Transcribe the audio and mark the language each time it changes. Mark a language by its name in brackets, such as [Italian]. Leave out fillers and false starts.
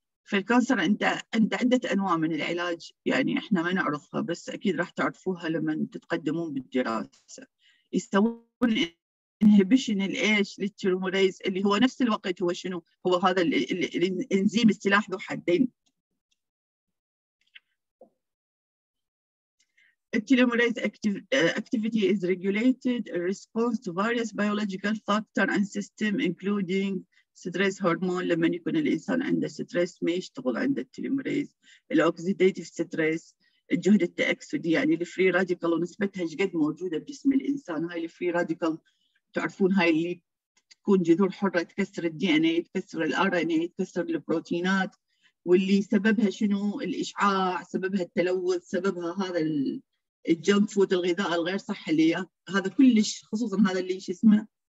[Arabic] في الكانسر انت عده انواع من العلاج يعني احنا ما نعرفها بس اكيد راح تعرفوها لما تتقدمون بالدراسه. يسوون انهيبيشن الايش للتيروميريز اللي هو نفس الوقت هو شنو هو هذا الانزيم السلاح ذو حدين. [English] Telomerase activity is regulated in response to various biological factors and system including stress hormone. [Arabic] لما يكون الإنسان عنده stress ما يشتغل عنده telomerase. Oxidative stress الجهد التأكسدي يعني the free radical ونسبتها جد موجودة بجسم الإنسان. هاي the free radical تعرفون هاي اللي تكون جذور حرة تكسر الDNA تكسر الRNA تكسر البروتينات واللي سببها شنو الإشعاع سببها التلوث سببها هذا الجنك فود الغذاء الغير صحي هذا كلش خصوصا هذا اللي شو اسمه